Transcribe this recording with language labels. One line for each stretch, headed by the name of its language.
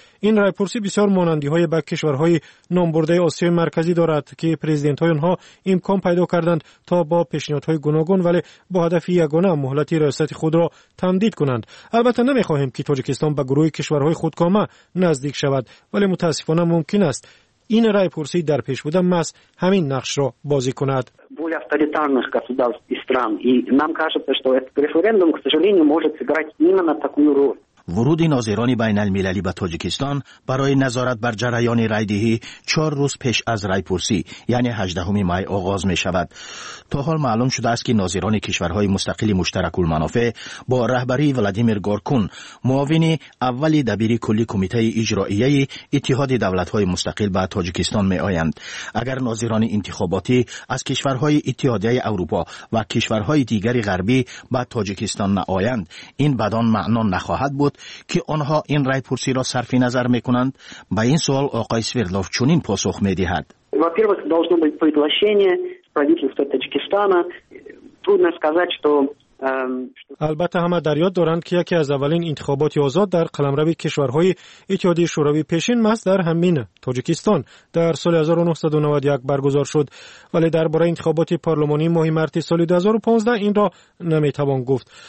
Persian: این رایپرسی بسیار مانندی های به کشورهای نامبرده آسیای مرکزی دارد که پرزیدنت های آنها امکان پیدا کردند تا با پیشنهادهای گوناگون ولی با هدف یگانه مهلت ریاست خود را تمدید کنند. البته نمیخواهیم که تاجیکستان به گروه کشورهای خودکامه نزدیک شود، ولی متاسفانه ممکن است این رای پرسی در پیش بوده مس همین نقش را بازی کند.
Russian: Более авторитарных государств и стран, и нам кажется, что этот референдум, к сожалению, может сыграть именно такую роль.
Persian: ورود ناظران بین المللی به تاجیکستان برای نظارت بر جریان رایدهی 4 روز پیش از رای پرسی یعنی 18 می آغاز می شود. تا حال معلوم شده است که ناظران کشورهای مستقل مشترک المنافع با رهبری ولادیمیر گورکون، معاون اول دبیر کلی کمیته اجرایی اتحاد دولت‌های مستقل به تاجیکستان می آیند. اگر ناظران انتخاباتی از کشورهای اتحادیه اروپا و کشورهای دیگر غربی به تاجیکستان نآیند، این بدان معنا نخواهد بود که آنها این رای پرسی را صرف نظر می کنند. به این سوال آقای سویردلوف چنین پاسخ می دهد.
Russian: Во-первых, должно быть приглашение правительства Таджикистана. Трудно сказать, что
Persian: البته همه در یاد دارند که یکی از اولین انتخابات آزاد در قلمرو کشورهای اتحادیه شوروی پیشین محض در همین تاجیکستان در سال 1991 برگزار شد، ولی درباره انتخابات پارلمانی ماه مارس سال 2015 این را نمیتوان گفت.